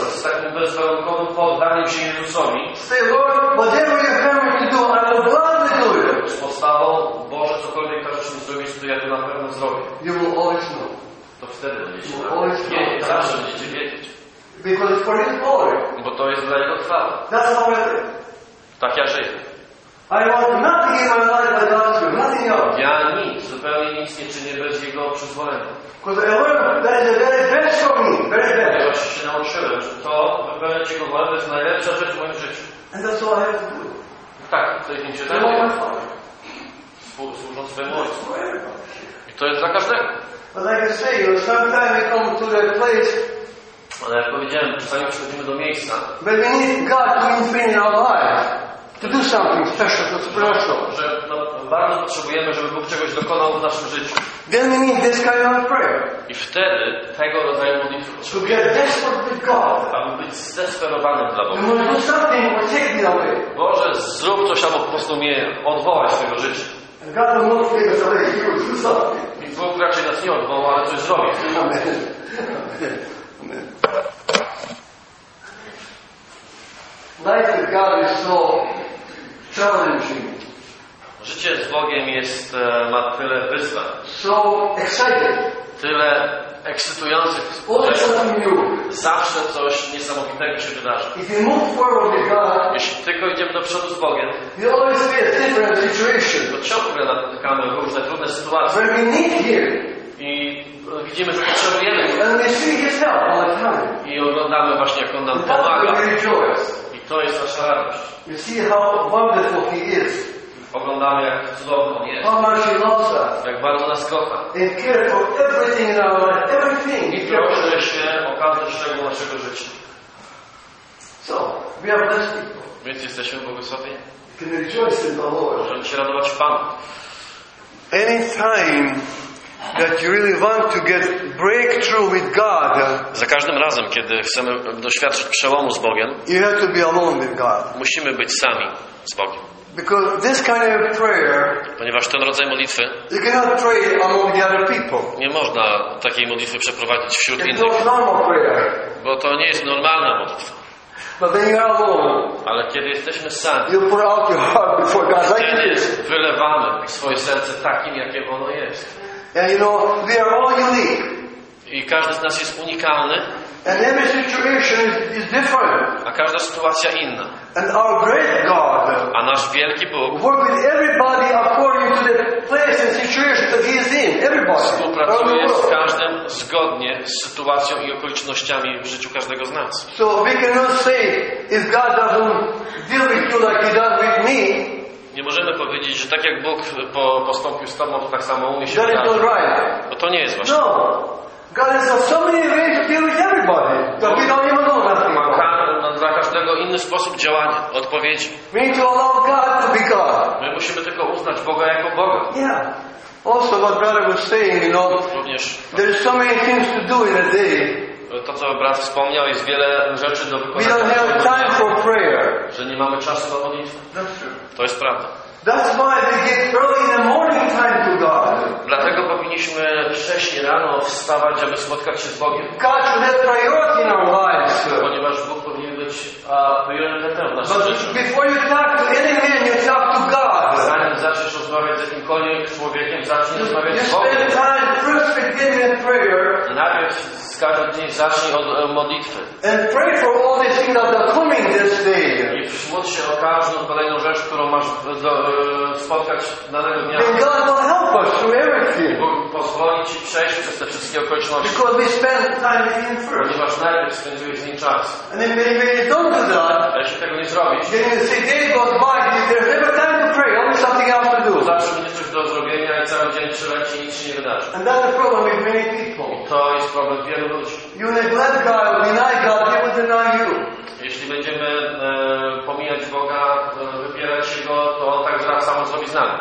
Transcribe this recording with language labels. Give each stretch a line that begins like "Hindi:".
Polish: Z takim bezwarunkowym poddaniem się Jezusowi.
English: Say, Lord, whatever you have me to do, I will gladly do it.
Polish: Z postawą, Boże, cokolwiek każesz mi zrobić, to ja to na pewno zrobię.
English: You will always know.
Polish: To wtedy będziecie wiedzieć. Nie, zawsze będziecie wiedzieć.
English: Because it's for His glory.
Polish: Bo to jest dla Jego chwały.
English: That's how I live.
Polish: Tak ja żyję.
English: I want nothing in my life but God's will, nothing else.
Polish: Ja nic, zupełnie nic nie czynię bez Jego przyzwolenia.
English: Because I learned that is the very best for me, very best.
Polish: Ja właśnie się nauczyłem, że to wypełniać Jego wolę to jest najlepsza rzecz w moim życiu.
English: And that's all I have to do.
Polish: Tak, to jest się tak. Służąc swemu Ojcu. I to jest dla każdego.
English: But like I say, you know, sometimes we come to the place.
Polish: Ale jak powiedziałem, czasami przychodzimy do miejsca.
English: When we need God to intervene in our life. To do something special, to special.
Polish: Że no, bardzo potrzebujemy, żeby Bóg czegoś dokonał w naszym życiu.
English: Then we need this kind of prayer.
Polish: I wtedy tego rodzaju modlitwy potrzebujemy.
English: To be desperate to God.
Polish: Aby być zdesperowanym dla Boga.
English: You do something or take me away.
Polish: Boże, zrób coś, albo po prostu mnie odwołaj z tego życia.
English: And God will not fear us away. He will do something.
Polish: I Bóg raczej nas nie odwoła, ale coś zrobi. Amen. Amen. Amen.
English: Life with God is so challenging.
Polish: Życie z Bogiem jest, ma tyle wyzwań.
English: So excited.
Polish: Tyle ekscytujących.
English: Always something new.
Polish: Zawsze coś niesamowitego się wydarzy.
English: If you move forward with God,
Polish: jeśli tylko idziemy do przodu z Bogiem,
English: we always be a different situation.
Polish: To ciągle napotykamy różne trudne sytuacje.
English: Where we need Him.
Polish: I widzimy, że potrzebujemy.
English: And we see His help all the time.
Polish: I oglądamy właśnie, jak on nam pomaga. To jest nasza radość.
English: You see how wonderful He is.
Polish: Oglądamy, jak cudowny On jest.
English: How much He loves us.
Polish: Jak bardzo nas kocha.
English: And care for everything in our life, everything.
Polish: I troszczy się o każdy szczegół naszego życia.
English: So, we are blessed people.
Polish: Więc jesteśmy błogosławieni.
English: You can rejoice in the Lord.
Polish: Możemy się radować w Panu.
English: Anytime that you really want to get breakthrough with God.
Polish: Za każdym razem, kiedy chcemy doświadczyć przełomu z Bogiem,
English: you have to be alone with God.
Polish: Musimy być sami z Bogiem.
English: Because this kind of prayer,
Polish: ponieważ ten rodzaj modlitwy,
English: you cannot pray among the other people.
Polish: Nie można takiej modlitwy przeprowadzić wśród
English: It's
Polish: innych.
English: Not normal prayer.
Polish: Bo to nie jest normalna modlitwa.
English: But then you are alone.
Polish: Ale kiedy jesteśmy sami,
English: you pour out your heart before God, like it is.
Polish: Wylewamy swoje serce takim, jakie ono jest.
English: And you know, we are all unique.
Polish: I każdy z nas jest unikalny.
English: And every situation is different.
Polish: A każda sytuacja inna.
English: And our great God,
Polish: a nasz wielki Bóg,
English: work with everybody according to the place and situation that He is in. Everybody.
Polish: Współpracuje z każdym zgodnie z sytuacją i okolicznościami w życiu każdego z nas. So we cannot say if God doesn't deal with you like He does with me. Nie możemy powiedzieć, że tak jak Bóg postąpił z tobą, to tak samo umie się wydarzyć. Bo to nie jest właśnie. Ma dla każdego inny sposób działania, odpowiedzi.
English: We need to allow God to be God.
Polish: My musimy tylko uznać Boga jako Boga.
English: Yeah. Also what brother was saying, you know,
Polish: również
English: there's so many things to do in a day.
Polish: To, co brat wspomniał, jest wiele rzeczy do wykonania.
English: We don't have time for prayer.
Polish: Że nie mamy czasu na modlitwę. To jest prawda.
English: That's why we get early in the morning time to God.
Polish: Dlatego powinniśmy wcześniej rano wstawać, aby spotkać się z Bogiem.
English: God should have priority in our lives.
Polish: Ponieważ Bóg powinien być być priorytetem w naszym życiu.
English: Before you talk to any man, you talk to God.
Polish: Zanim zaczniesz rozmawiać z jakimkolwiek człowiekiem, zacznij rozmawiać z Bogiem.
English: You spend time first beginning in prayer.
Polish: I najpierw każdy dzień zacznij od modlitwy.
English: And pray for all the things that are coming this day.
Polish: I módl się o każdą kolejną rzecz, którą masz spotkać danego dnia.
English: And God will help us through everything.
Polish: Bóg pozwoli ci przejść przez te wszystkie okoliczności.
English: Because we spend time with Him first.
Polish: Ponieważ najpierw spędziłeś z Nim czas.
English: And then maybe you don't do that.
Polish: A jeśli tego nie zrobisz.
English: Then you say, day goes by, there's never time to pray, only something else to do.
Polish: Zawsze będziesz coś do zrobienia i cały dzień przeleci i nic się nie wydarzy.
English: And that's the problem with many people.
Polish: I to jest problem wielu.
English: You neglect God, deny God, He will deny you.
Polish: Jeśli będziemy pomijać Boga, wybierać się Go, to On tak samo zrobi z nami.